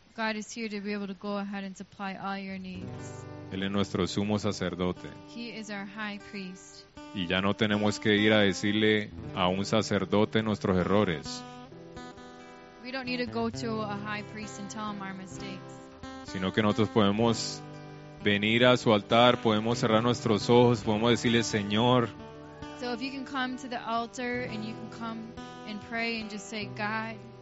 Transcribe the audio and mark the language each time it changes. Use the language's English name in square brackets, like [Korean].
[English] God is here to be able to go ahead and supply all your needs. [Spanish] Él es nuestro sumo sacerdote. [English] He is our high priest. [Spanish] Y ya no tenemos que ir a decirle a un sacerdote nuestros errores. [English] We don't need to go to a high priest and tell him our mistakes. [Spanish] Sino que nosotros podemos venir a su altar, podemos cerrar nuestros ojos, podemos decirle, Señor. [English] So if you can come to the altar and you can come and pray and just say, God.